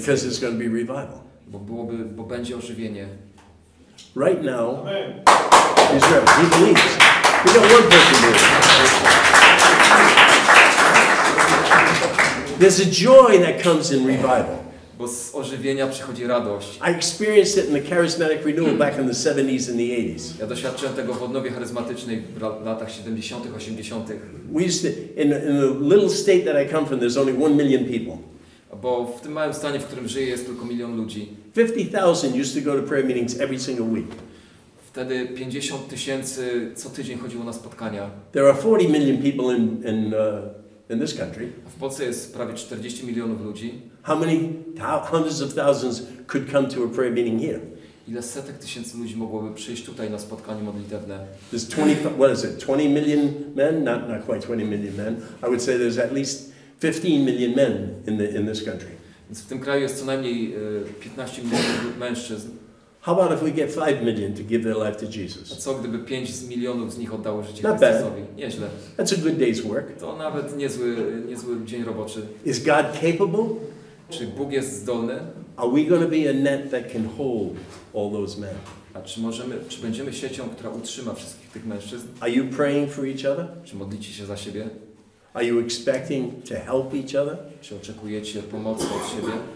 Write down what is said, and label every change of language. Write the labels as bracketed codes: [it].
[en] Because it's going to be revival. [pl] Bo będzie ożywienie. [en] Right now, amen. Israel, he believes. We got one person here. There's a joy that comes in revival. [pl] Bo z ożywienia przychodzi radość. [en] I experienced it in the charismatic renewal back in the 70s and the 80s. [pl] Ja doświadczyłem tego w odnowie charyzmatycznej w latach 70-tych, 80-tych. [en] We used to, in the little state that I come from, there's only 1 million people. [pl] Bo w tym małym stanie, w którym żyję, jest tylko milion ludzi. [en] 50,000 used to go to prayer meetings every single week. [pl] Wtedy 50 tysięcy co tydzień chodziło na spotkania. [en] There are 40 million people in this country. [pl] W Polsce jest prawie 40 milionów ludzi. [en] How many hundreds of thousands could come to a prayer meeting here? [pl] Ile setek tysięcy ludzi mogłoby przyjść tutaj na spotkanie modlitewne? [en] There's 20, what is it, 20 million men? Not quite 20 million men. I would say there's at least 15 million men in this country. [pl] Więc w tym kraju jest co najmniej 15 milionów mężczyzn. [en] How about if we get 5 million to give their life to Jesus? [pl] A co gdyby 5 milionów z nich oddało życie Chrystusowi? Nieźle. [en] That's a good day's work. [pl] To nawet niezły dzień roboczy. [en] Is God capable? [pl] Czy Bóg jest zdolny? [en] Are we going to be a net that can hold all those men? [pl] A czy będziemy siecią, która utrzyma wszystkich tych mężczyzn? [en] Are you praying for each other? [pl] Czy modlicie się za siebie? [en] Are you expecting to help each other? [pl] Czy oczekujecie pomocy od siebie?